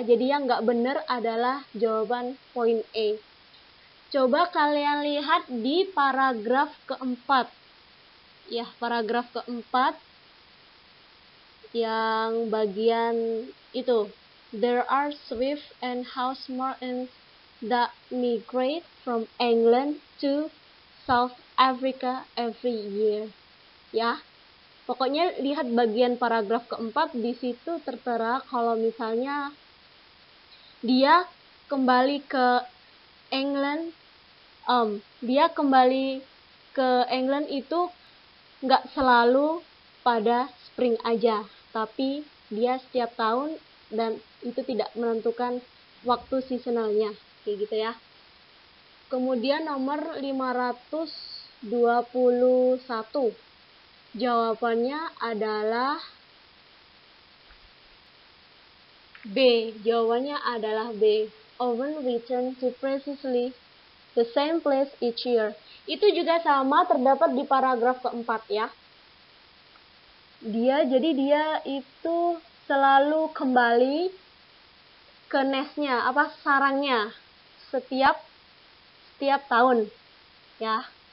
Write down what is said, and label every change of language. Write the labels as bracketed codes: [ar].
[id] Jadi yang nggak benar adalah jawaban poin E. Coba kalian lihat di paragraf keempat. Ya, paragraf keempat yang bagian itu. [en] There are swift and house martins that migrate from England to South Africa every year. [id] Ya, pokoknya lihat bagian paragraf keempat, di situ tertera kalau misalnya dia kembali ke England, dia kembali ke England itu nggak selalu pada spring aja, tapi dia setiap tahun. Dan itu tidak menentukan waktu seasonalnya, kayak gitu ya. Kemudian nomor 521, jawabannya adalah B. Jawabannya adalah B. [en] Oven return to precisely the same place each year. [id] Itu juga sama terdapat di paragraf keempat ya. Dia itu selalu kembali ke nestnya, apa sarangnya, setiap setiap tahun ya.